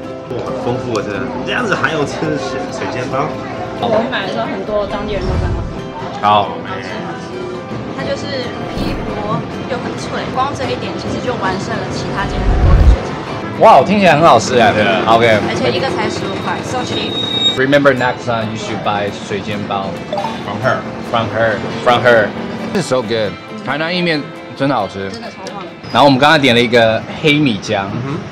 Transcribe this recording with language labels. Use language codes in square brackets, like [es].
[zh] 哇，丰富的，这样子还有吃水煎包。我们买的时候很多当地人都在买。好，好吃，它就是皮薄又很脆，光这一点其实就完胜了其他间很多的。哇，wow, 听起来很好吃呀，对，OK。而且一个才15块 ， [en] so cheap。 Remember next time you should buy 水煎包，from her， from her， from her。 This is so good， [zh] 台南意面真的好吃，真的超棒。然后我们刚才点了一个黑米浆、mm-hmm.